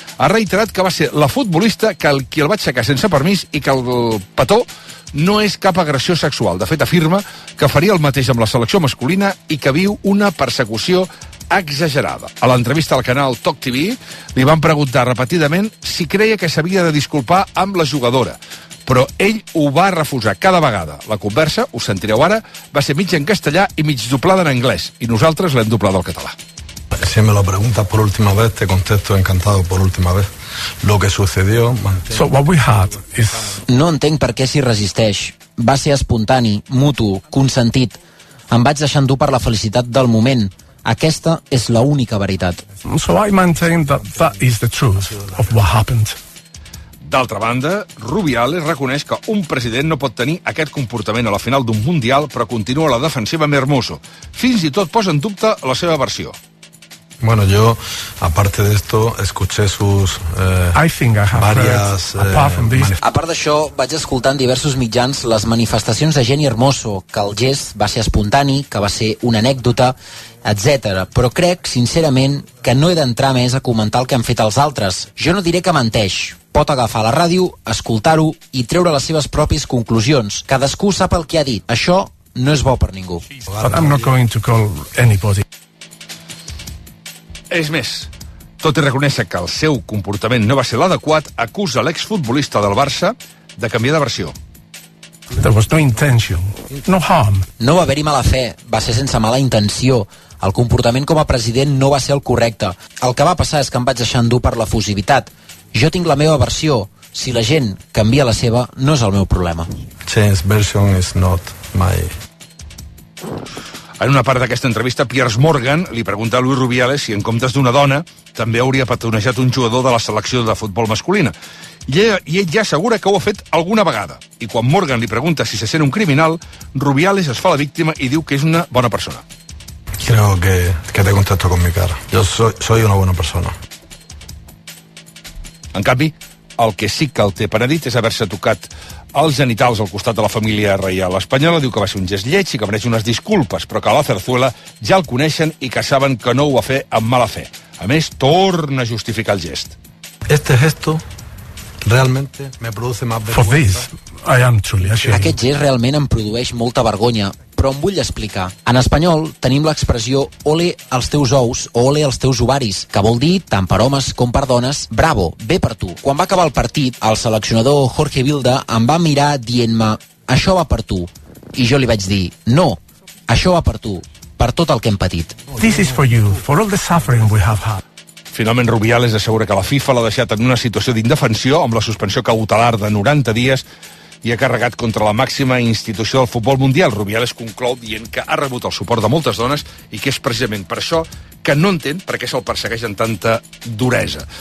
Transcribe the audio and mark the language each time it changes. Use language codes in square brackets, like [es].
[ca] Ha reiterat que va ser la futbolista qui el va aixecar sense permís i que el petó no és cap agressió sexual. De fet, afirma que faria el mateix amb la selecció masculina i que viu una persecució exagerada. A l'entrevista al canal Talk TV li van preguntar repetidament si creia que s'havia de disculpar amb la jugadora, però ell ho va refusar cada vegada. La conversa, ho sentireu ara, va ser mig en castellà i mig doblada en anglès, i nosaltres l'hem doblada al català. [es] Si me lo preguntas por última vez, te contesto encantado por última vez. Lo que sucedió... [en] So what we had is... [ca] No entenc per què s'hi resisteix. Va ser espontani, mutu, consentit. Em vaig deixar endur per la felicitat del moment. Aquesta és la única veritat. [en] So I maintain that that is the truth of what happened. [ca] D'altra banda, Rubiales reconeix que un president no pot tenir aquest comportament a la final d'un Mundial, però continua la defensiva amb Hermoso. Fins i tot posa en dubte la seva versió. [es] Bueno, yo, aparte de esto, escuché sus... [ca] A part d'això, vaig escoltar en diversos mitjans les manifestacions de Jenny Hermoso, que el gest va ser espontani, que va ser una anècdota, etc. Però crec, sincerament, que no he d'entrar més a comentar el que han fet els altres. Jo no diré que menteix. Pot agafar la ràdio, escoltar-ho i treure les seves pròpies conclusions. Cadascú sap el que ha dit. Això no és bo per ningú. [en] But I'm not going to call anybody. [ca] És més, tot i reconèixer que el seu comportament no va ser l'adequat, acusa l'exfutbolista del Barça de canviar de versió. [en] There was no intention, no harm. [ca] No va haver-hi mala fe, va ser sense mala intenció. El comportament com a president no va ser el correcte. El que va passar és que em vaig deixar endur per l'efusivitat. Jo tinc la meva versió. Si la gent canvia la seva, no és el meu problema. [en] Change version is not my... [ca] En una part d'aquesta entrevista, Piers Morgan li pregunta a Luis Rubiales si en comptes d'una dona també hauria petonejat un jugador de la selecció de futbol masculina. I ell ja assegura que ho ha fet alguna vegada. I quan Morgan li pregunta si se sent un criminal, Rubiales es fa la víctima i diu que és una bona persona. [es] Creo que te contesto con mi cara. Yo soy una buena persona. [ca] En canvi, el que sí que el té penedit és haver-se tocat els genitals al costat de la família reial espanyola. Diu que va ser un gest lleig i que mereix unes disculpes, però que a la Zarzuela ja el coneixen i que saben que no ho va fer amb mala fe. A més, torna a justificar el gest. [es] Este gesto realmente me produce más vergüenza. [en] For this, I am truly ashamed. [ca] Aquest gest realment em produeix molta vergonya, però em vull explicar. En espanyol tenim l'expressió ole els teus ous o ole els teus ovaris, que vol dir, tant per homes com per dones, bravo, bé per tu. Quan va acabar el partit, el seleccionador Jorge Vilda em va mirar dient-me això va per tu. I jo li vaig dir, no, això va per tu, per tot el que hem patit. [en] This is for you, for all the suffering we have had. [ca] Finalment, Rubiales assegura que la FIFA l'ha deixat en una situació d'indefensió amb la suspensió cautelar de 90 dies i ha carregat contra la màxima institució del futbol mundial. Rubiales conclou dient que ha rebut el suport de moltes dones i que és precisament per això que no entén per què se'l persegueix amb tanta duresa.